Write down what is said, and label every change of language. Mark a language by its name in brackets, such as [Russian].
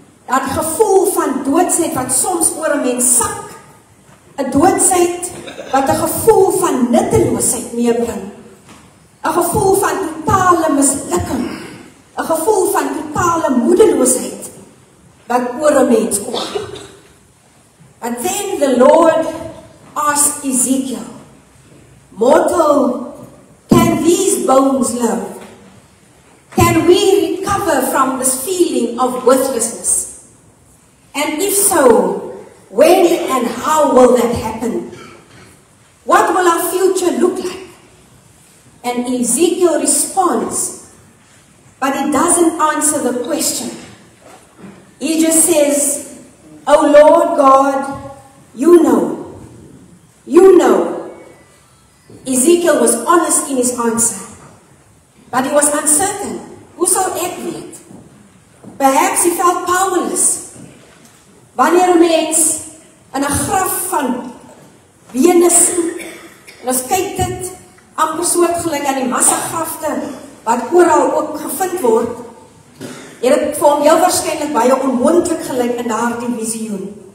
[Afrikaans] Dat gevoel van doodsheid wat soms oor 'n mens sak. 'n Doodsheid wat 'n gevoel van nutteloosheid meebring. 'n Gevoel van totale mislukking. 'n gevoel van totale moedeloosheid wat oor 'n mens kom. [English] And then the Lord asked Ezekiel, "Mortal, can these bones live? Can we recover from this feeling of worthlessness? And if so, when and how will that happen? What will our future look like?" And Ezekiel responds, but he doesn't answer the question. He just says, "Oh Lord God, you know. You know." Ezekiel was honest in his answer, but he was uncertain. [Afrikaans] Hoe sou ek weet? [English] Perhaps he felt powerless. [Afrikaans] Wanneer 'n mens in 'n graf van bene sien, en ons kyk dit amper soortgelyk aan die massagrafte wat oral ook gevind word, het dit vir hom heel waarskynlik baie onmoontlik gelyk in daardie visioen.